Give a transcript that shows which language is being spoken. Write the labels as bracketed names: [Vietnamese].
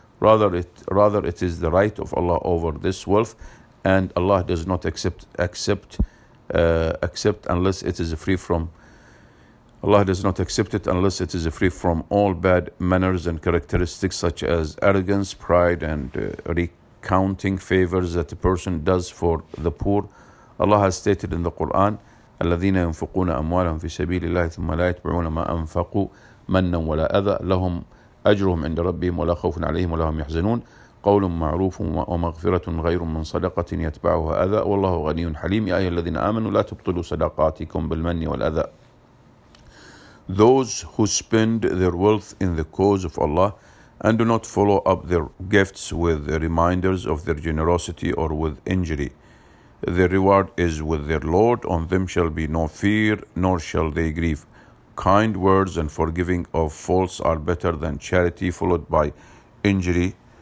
[English] Rather, it is the right of Allah over this wealth, and Allah does not accept unless it is free from. Allah does not accept it unless it is free from all bad manners and characteristics such as arrogance, pride, and recounting favors that a person does for the poor. Allah has stated in the Quran, [Arabic] الذين ينفقون أموالهم في سبيل الله ثم لا يتبعون ما أنفقوا منا ولا أذى لهم أجرهم عند ربهم ولا خوف عليهم ولا هم يحزنون قول معروف ومغفرة غير من صدقة يتبعها أذى والله غني حليم. يا أيها الذين آمنوا لا تبطلوا صدقاتكم بالمن والأذى. [English] Those who spend their wealth in the cause of Allah and do not follow up their gifts with reminders of their generosity or with injury, their reward is with their Lord. On them shall be no fear, nor shall they grieve. Kind words and forgiving of faults are better than charity followed by injury.